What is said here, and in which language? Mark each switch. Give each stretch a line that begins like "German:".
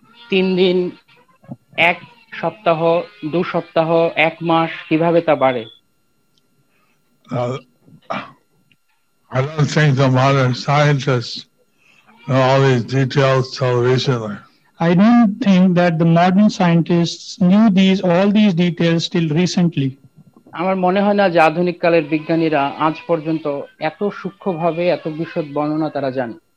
Bangla: তিন দিন, এক সপ্তাহ, দু সপ্তাহ, এক মাস, কিভাবে তা বাড়ে?
English: I don't think the modern scientists know all these details so recently. I don't think that the modern scientists knew these all these details till recently.
Bangla: আমার মনে হয় না যে আধুনিক কালের বিজ্ঞানীরা আজ পর্যন্ত এত সূক্ষ্মভাবে এত বিশদ বর্ণনা তারা জানে।